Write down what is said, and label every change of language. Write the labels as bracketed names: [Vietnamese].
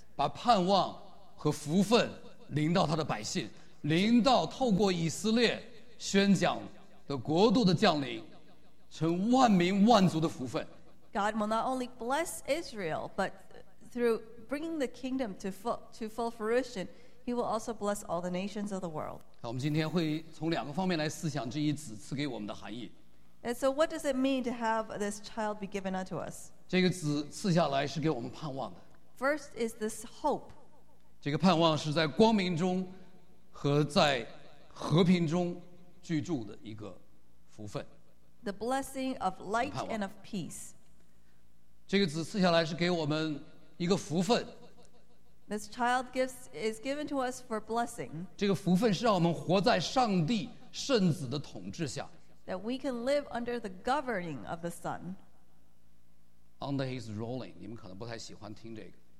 [Chinese] 把盼望和福分临到他的百姓，临到透过以色列宣讲的国度的降临，成万民万族的福分。 [English] God will not only bless Israel, but through bringing the kingdom to full fruition, He will also bless all the nations of the world. [Chinese] 我们今天会从两个方面来思想这一子赐给我们的含义。 [English] And so what does it mean to have this child be given unto us? [Chinese] 这个子赐下来是给我们盼望的。 [English] First is this hope. [Chinese] 这个盼望是在光明中和在和平中居住的一个福分。 [English] The blessing of light and of peace. [Chinese] 这个子赐下来是给我们一个福分。 [English] This child is given to us for blessing. [Chinese] 这个福分是让我们活在上帝圣子的统治下。 [English] That we can live under the governing of the Son. Under His ruling, [Chinese] 你们可能不太喜欢听这个。